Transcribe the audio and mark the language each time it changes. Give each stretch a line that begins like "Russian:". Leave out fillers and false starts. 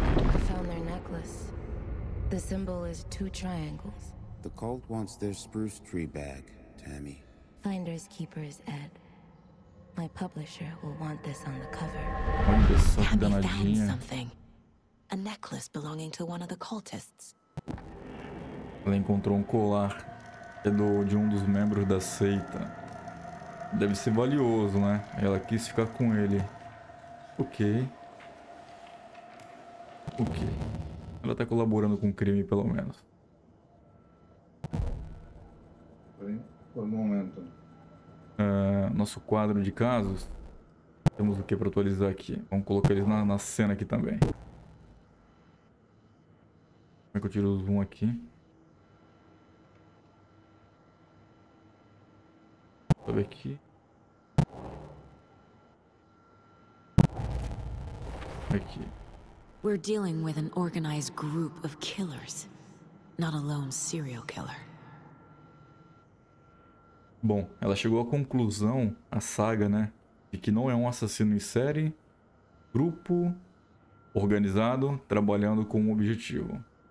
English: I found their necklace. The symbol is two triangles. The cult wants their spruce tree back, Tammy. Finders keepers, Ed. My publisher will want this on the cover.
Portuguese: Olha só que danadinha.
English: Tammy found something. A necklace belonging to one of the cultists.
Portuguese: Ela encontrou um colar de um dos membros da seita. Deve ser valioso, né? Ela quis ficar com ele. Ok. Ok. Ela tá colaborando com o crime, pelo menos. Por um momento. Nosso quadro de casos. Temos o que pra atualizar aqui? Vamos colocar eles na cena aqui também. Como é que eu tiro o zoom aqui? Deixa eu ver aqui. Aqui.
English: We're dealing with an organized group of killers, not a lone serial killer.
Portuguese: Bom, ela chegou à conclusão, a saga, né, de que não é um assassino em série, grupo organizado trabalhando com um objetivo.